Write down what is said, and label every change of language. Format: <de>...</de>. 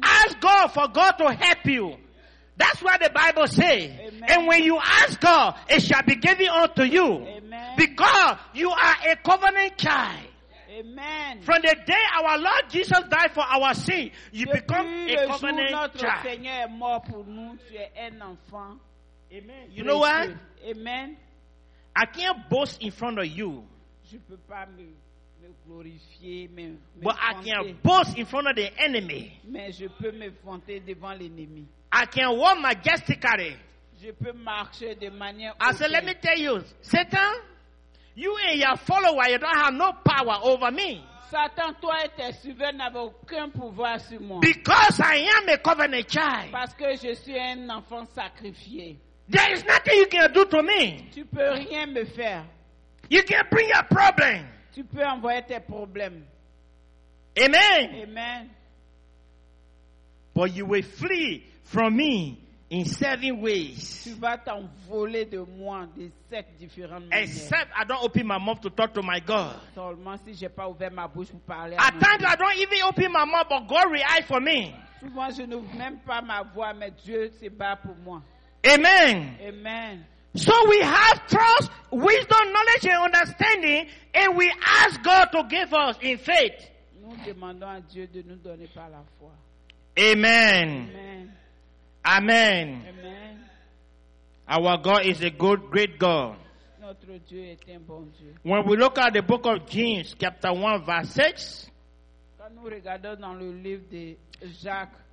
<en>Ask God for God to help you. That's what the Bible says. Amen. And when you ask God, it shall be given unto you. Amen. Because you are a covenant child. Amen. From the day our Lord Jesus died for our sin, you become a covenant child.</en> <fr>Seigneur est mort pour nous, tu es un enfant.</fr> <en>Amen. You know what? Amen. I can't boast in front of you.</en> <fr>Je peux pas me glorifier,</fr> <en>but I can boast in front of the enemy.</en> <fr>Mais je peux me vanter devant l'ennemi.</fr> <en>I can walk majestically.</en> <fr>Je peux marcher de manière.</fr> <en>I said, let me tell you, Satan, you and your follower, you don't have no power over me.</en> <fr>Satan, toi et tes suiveurs n'avez aucun pouvoir sur moi.</fr> <en>Because I am a covenant child.</en> <fr>Parce que je suis un enfant sacrifié.</fr> <en>There is nothing you can do to me.</en> <fr>Tu peux rien me faire.</fr> <en>You can bring your problem.</en> <fr>Tu peux envoyer tes problèmes. Amen. Amen.</fr> <en>But you will flee from me in seven ways.</en> <fr>Tu vas t'envoler de moi de sept différentes manières.</fr> <en>Except I don't open my mouth to talk to my God.</en> <fr>Seulement si j'ai pas ouvert ma bouche pour parler.</fr> <en>At times I don't even open my mouth, but God reacts for me.</en> <fr>Souvent je n'ouvre même pas ma voix, mais Dieu se bat pour moi. Amen. Amen.</fr> <en>So we have trust, wisdom, knowledge, and understanding, and we ask God to give us in faith.</en> <fr>Nous demandons à Dieu de nous donner par la foi. Amen. Amen.</fr> <en>Amen. Amen. Our God is a good, great God.</en> <fr>Notre Dieu est un bon Dieu.</fr> <en>When we look at the book of James, chapter 1, verse 6,</en> <fr>quand nous regardons dans le livre de Jacques,</fr>